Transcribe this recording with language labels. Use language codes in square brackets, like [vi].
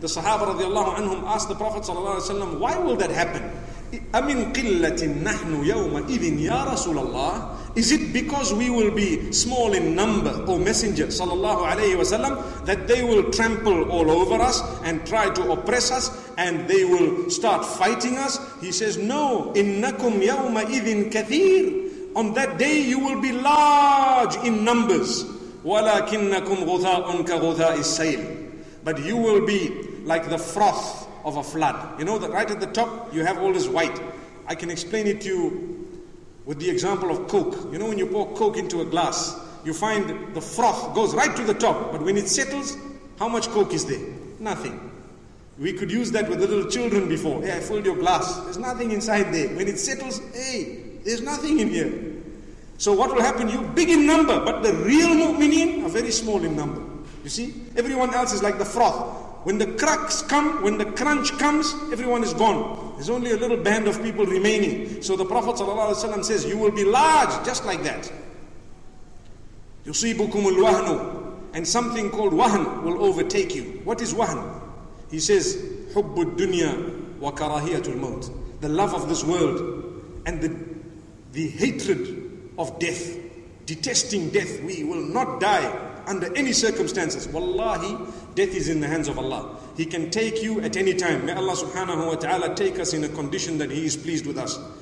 [en] The Sahaba radiallahu anhum asked the Prophet sallallahu alaihi wasallam, why will that happen? [ar] أَمِنْ قِلَّةٍ نَحْنُ يَوْمَ إِذٍ يَا رَسُولَ اللَّهِ. [en] Is it because we will be small in number, O Messenger sallallahu alaihi wasallam, that they will trample all over us and try to oppress us and they will start fighting us? He says, no, [ar] إِنَّكُمْ يَوْمَ إِذٍ كَثِيرٌ. [en] On that day you will be large in numbers. [ar] وَلَكِنَّكُمْ غُثَاءٌ كَغُثَاءِ السَّيْلِ. [en] But you will be like the froth of a flood. You know that right at the top you have all this white. I can explain it to you with the example of Coke. You know when you pour Coke into a glass, you find the froth goes right to the top. But when it settles, how much Coke is there? Nothing. We could use that with the little children before. Yeah, I filled your glass. There's nothing inside there. When it settles, hey, there's nothing in here. So what will happen? You big in number, but the real mu'mineen are very small in number. You see? Everyone else is like the froth. When the cracks come, when the crunch comes, everyone is gone. There's only a little band of people remaining. So the Prophet ﷺ says, you will be large just like that. [ar] يُصِيبُكُمُ الْوَهْنُ. [en] And something called wahn will overtake you. What is wahn? He says, [ar] حُبُّ الدُّنْيَا وَكَرَهِيَةُ الْمَوْتِ. [en] The love of this world and the hatred of death, detesting death. We will not die under any circumstances. Wallahi, death is in the hands of Allah. He can take you at any time. May Allah subhanahu wa ta'ala take us in a condition that He is pleased with us.